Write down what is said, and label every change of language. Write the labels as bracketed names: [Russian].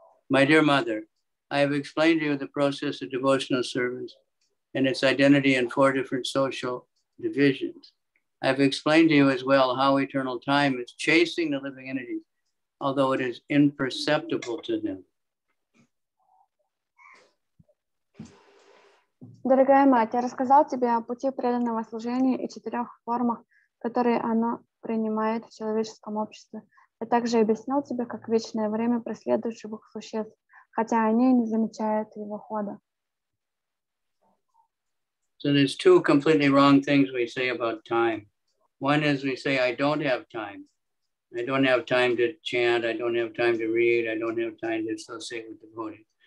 [English] My dear mother, I have explained to you the process of devotional service and its identity in four different social divisions. I've explained to you as well how eternal time is chasing the living entities, although it is imperceptible to them. [Russian] Дорогая мать, я рассказал тебе о пути преданного служения и четырех формах, которые оно принимает в человеческом обществе. Я также объяснил тебе, как вечное время преследует живых существ, хотя они не замечают его хода. [English] So there's two completely wrong things we say about time. One is we say, I don't have time. I don't have time to chant. I don't have time to read. I don't have time to associate with devotees.